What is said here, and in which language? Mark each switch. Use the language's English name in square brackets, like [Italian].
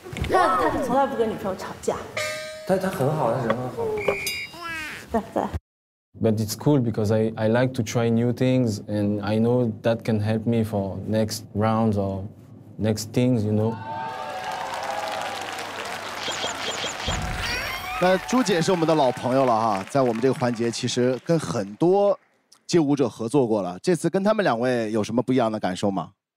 [Chinese] 他从来不跟女朋友吵架。但他很好，他人很好。对对。 [English] But it's cool because I like to try new things and I know that can help me for next rounds or next things, you know. [Chinese] 那朱姐是我们的老朋友了哈，在我们这个环节其实跟很多街舞者合作过了。这次跟他们两位有什么不一样的感受吗？